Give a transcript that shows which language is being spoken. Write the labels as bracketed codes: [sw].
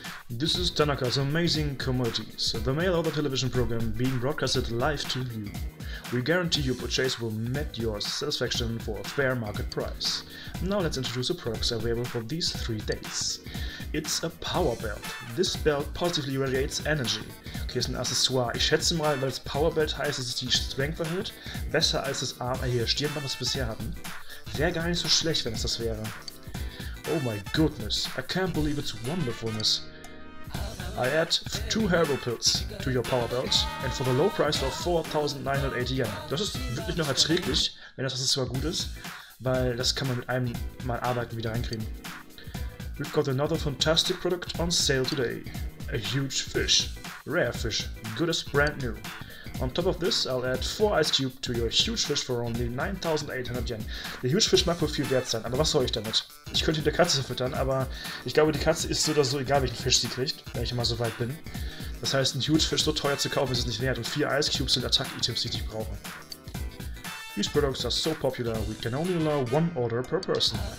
[en] This is Tanaka's amazing commodities, the mail order television program being broadcasted live to you. We guarantee your purchase will meet your satisfaction for a fair market price. Now let's introduce the products available for these 3 days. It's a power belt. This belt positively radiates energy. [de] Okay, ist ein Accessoire. Ich schätze mal, weil es Power Belt heißt, dass es die Strength erhöht. Besser als das Stirnband, was wir bisher hatten. Wäre gar nicht so schlecht, wenn es das wäre. [en] Oh my goodness, I can't believe its wonderfulness. I add 2 herbal pills to your power belt and for the low price of 4980 yen. [de] Das ist wirklich noch erträglich, wenn das zwar gut ist, weil das kann man mit einem Mal Arbeiten wieder reinkriegen. [en] We've got another fantastic product on sale today. A huge fish. Rare fish. Good as brand new. On top of this, I'll add 4 ice cubes to your huge fish for only 9800 yen. [de] Der huge fish mag wohl viel wert sein, aber was soll ich damit? Ich könnte ihn der Katze füttern, aber ich glaube, die Katze ist so oder so egal, welchen Fisch sie kriegt, wenn ich immer so weit bin. Das heißt, ein huge fish so teuer zu kaufen ist es nicht wert und 4 ice cubes sind Attack-Items, die ich brauche. [en] These products are so popular, we can only allow 1 order per person.